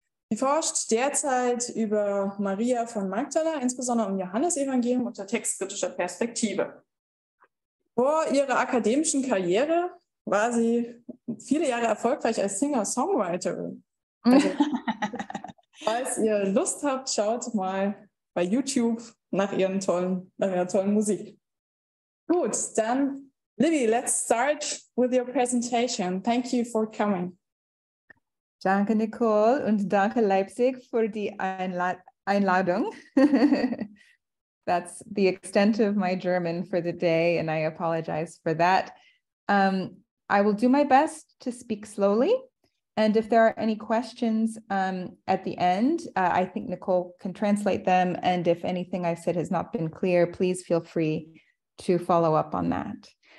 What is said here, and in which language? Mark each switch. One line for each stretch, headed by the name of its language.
German: Sie forscht derzeit über Maria von Magdala, insbesondere im Johannesevangelium unter textkritischer Perspektive. Vor ihrer akademischen Karriere war sie viele Jahre erfolgreich als Singer-Songwriterin. Also, falls ihr Lust habt, schaut mal bei YouTube nach ihrer tollen Musik. Gut, dann,
English: Libby, let's start with your presentation. Thank you for coming.
German: Danke, Nicole, und danke, Leipzig, für die Einladung.
English: That's the extent of my German for the day, and I apologize for that. I will do my best to speak slowly, and if there are any questions at the end, I think Nicole can translate them, and if anything I've said has not been clear, please feel free to follow up on that.